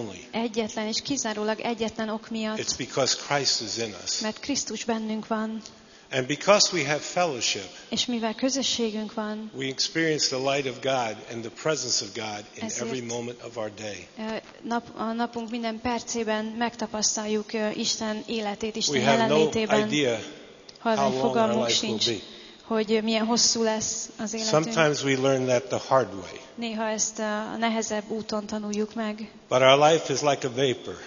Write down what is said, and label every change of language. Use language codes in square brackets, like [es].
[hu] Egyetlen és kizárólag egyetlen ok miatt. [en] It's because Christ is in us. [hu] Mert Krisztus bennünk van. [en] And because we have fellowship, [hu] és mivel közösségünk van, [en] we experience the light of God and the presence of God in every moment of our day. [hu] A napunk minden percében megtapasztaljuk Isten életét, Isten jelenlétében. Hallom, fogalmunk sincs, hogy milyen hosszú lesz az életünk. [en] Sometimes we learn that the hard way. [hu] Néha ezt a nehezebb úton tanuljuk meg. [en] But our life is like a vapor.